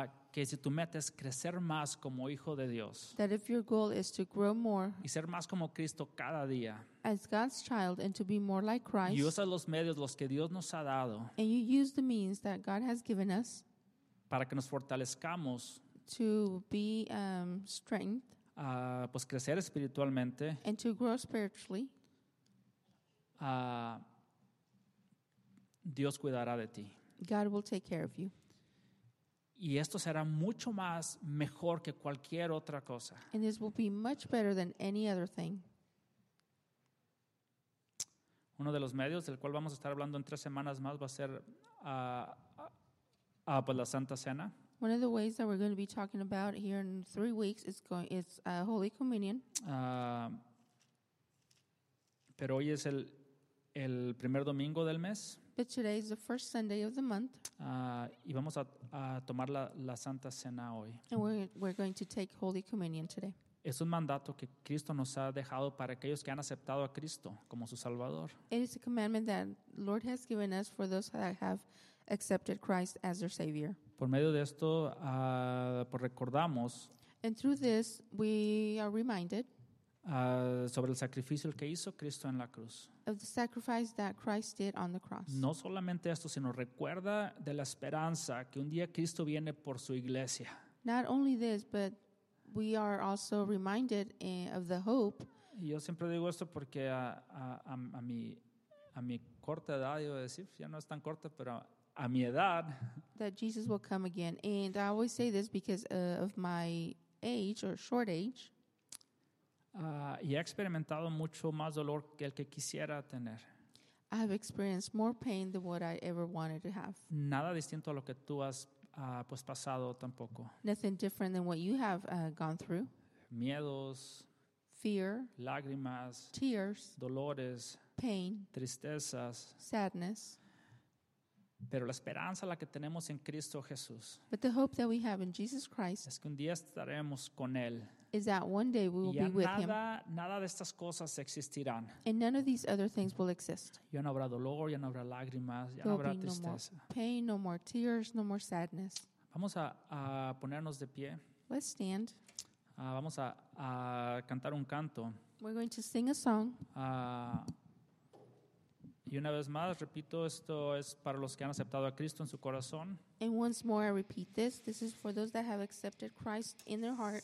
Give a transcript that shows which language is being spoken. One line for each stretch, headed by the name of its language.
Spanish: Que si tu meta es crecer más como hijo de Dios,
English: that if your goal is to grow more,
Spanish: y ser más como Cristo cada día,
English: as God's child, and to be more like Christ,
Spanish: y usas los medios los que Dios nos ha dado,
English: and you use the means that God has given us,
Spanish: para que nos fortalezcamos,
English: to be strengthened,
Spanish: pues crecer espiritualmente,
English: and to grow spiritually,
Spanish: Dios cuidará de ti.
English: God will take care of you.
Spanish: Y esto será mucho más mejor que cualquier otra cosa.
English: And this will be much better than any other thing.
Spanish: Uno de los medios del cual vamos a estar hablando en 3 semanas más va a ser pues la Santa Cena.
English: One of the ways that we're going to be talking about here in 3 weeks is Holy Communion.
Spanish: Pero hoy es el primer domingo del mes.
English: But today is the first Sunday of the month.
Spanish: Y vamos a tomar la Santa Cena hoy.
English: And we're going to take Holy Communion today.
Spanish: Es un mandato que Cristo nos ha dejado para aquellos que han aceptado a Cristo como su Salvador.
English: It is a commandment that the Lord has given us for those that have accepted Christ as their Savior.
Spanish: Por medio de esto, recordamos.
English: And through this, we are reminded.
Spanish: Sobre el sacrificio que hizo Cristo en la cruz.
English: Of the sacrifice that Christ did on the cross.
Spanish: No solamente esto, sino recuerda de la esperanza que un día Cristo viene por su iglesia.
English: Not only this, but we are also reminded of the hope.
Spanish: Y yo siempre digo esto porque a mi corta edad, yo decir, ya no es tan corta, pero a mi edad.
English: That Jesus will come again. And I always say this because of my age or short age.
Spanish: Y he experimentado mucho más dolor que el que quisiera tener.
English: I have experienced more pain than what I ever wanted to have.
Spanish: Nada distinto a lo que tú has pasado tampoco.
English: Nothing different than what you have gone through.
Spanish: Miedos.
English: Fear.
Spanish: Lágrimas.
English: Tears.
Spanish: Dolores.
English: Pain.
Spanish: Tristezas.
English: Sadness.
Spanish: Pero la esperanza la que tenemos en Cristo Jesús.
English: But the hope that we have in Jesus Christ.
Spanish: Es que un día estaremos con Él.
English: Is that one day we will be with him.
Spanish: Nada de estas cosas existirán.
English: And none of these other things will exist.
Spanish: Ya no habrá dolor, ya no habrá lágrimas, ya no habrá tristeza.
English: No more pain, no more tears, no more sadness.
Spanish: Vamos a ponernos de pie.
English: Let's stand.
Spanish: Vamos a cantar un canto.
English: We're going to sing a song.
Spanish: Y una vez más, repito, esto es para los que han aceptado a Cristo en su corazón.
English: And once more, I repeat this. This is for those that have accepted Christ in their heart.